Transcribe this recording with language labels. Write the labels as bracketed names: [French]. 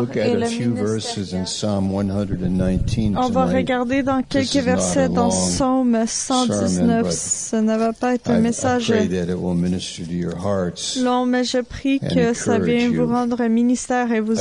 [English] look at a few verses in Psalm 119 [French] on [English] tonight. [French] Va regarder dans quelques versets dans Psaume 119. Ce ne va pas être un message [English] I pray that it will minister to your hearts [French] long, mais je prie que ça vienne vous rendre un ministère et vous